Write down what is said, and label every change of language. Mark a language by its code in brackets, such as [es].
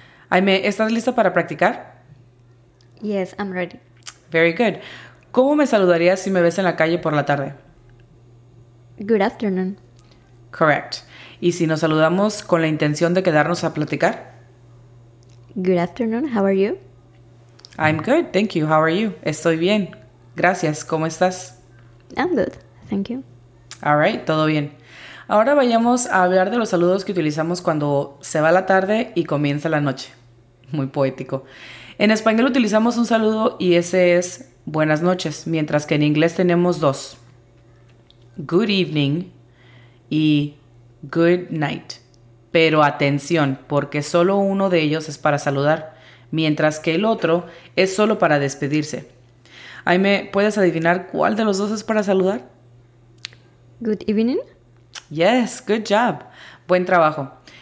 [es] Aime, ¿estás lista para practicar? [en] Yes, I'm ready. Very good. [es] ¿Cómo me saludarías si me ves en la calle por la tarde? [en] Good afternoon. Correct. [es] ¿Y si nos saludamos con la intención de quedarnos a platicar? [en] Good afternoon, how are you? I'm good, thank you, how are you? [es] Estoy bien, gracias, ¿cómo estás? [en] I'm good, thank you. All right, [es] todo bien. Ahora vayamos a hablar de los saludos que utilizamos cuando se va la tarde y comienza la noche. Muy poético. En español utilizamos un saludo y ese es buenas noches, mientras que en inglés tenemos dos. [en] Good evening y good night. [es] Pero atención, porque solo uno de ellos es para saludar, mientras que el otro es solo para despedirse. Aime, ¿puedes adivinar cuál de los dos es para saludar? [en] Good evening. Yes, good job. [es] Buen trabajo.